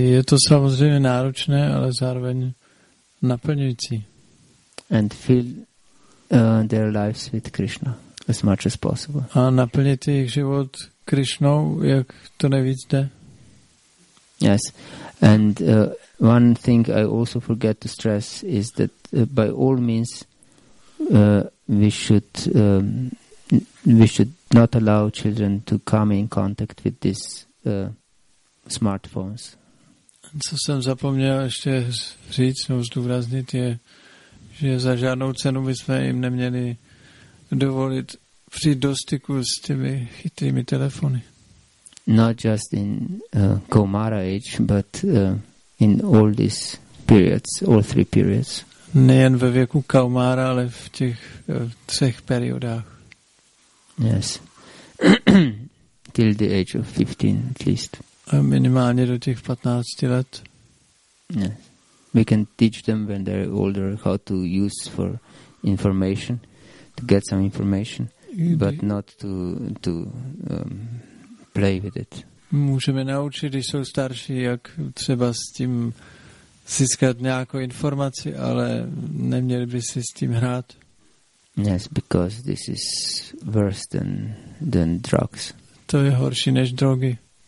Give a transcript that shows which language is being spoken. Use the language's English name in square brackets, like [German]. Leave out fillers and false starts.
[Czech] Je to samozřejmě náročné, ale zároveň naplňující. [English] And fill their lives with Krishna as much as possible. [Czech] A naplnit jejich život Krishnou, jak to nejvíc jde. [English] Yes. And one thing I also forget to stress is that by all means we should not allow children to come in contact with these smartphones. [Czech] Co jsem zapomněl ještě říct nebo zdůraznit je, že za žádnou cenu bychom jim neměli dovolit přijít do styku s těmi chytrými telefony. [English] Not just in Kaumara age, but in all these periods, all three periods. [Czech] Nejen ve věku Kaumara, ale v těch třech periodách. [English] Yes. Till the age of 15 at least. [Czech] A minimálně do těch 15 let. [English] Yes. We can teach them when they're older how to use for information, to get some information, but not to play with it. [Czech] Můžeme naučit, když jsou starší, jak třeba s tím získat nějakou informaci, ale neměli by si s tím hrát. [English] Yes, because this is worse than drugs. [Czech] To je horší než drogy.